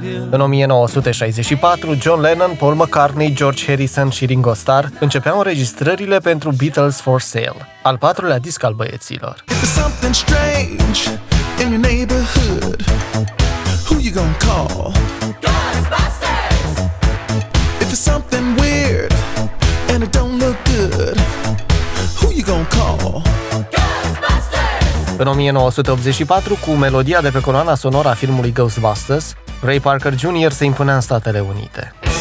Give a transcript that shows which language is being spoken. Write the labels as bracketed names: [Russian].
[Romanian] În 1964, John Lennon, Paul McCartney, George Harrison și Ringo Starr începeau înregistrările pentru Beatles for Sale, al patrulea disc al băieților. [English] If there's something strange in your neighborhood, who you gonna call? Ghostbusters! If there's something weird and it don't look good, who you gonna call? [Romanian] Ghostbusters! În 1984, cu melodia de pe coloana sonoră a filmului Ghostbusters, Ray Parker Jr. se impunea în Statele Unite.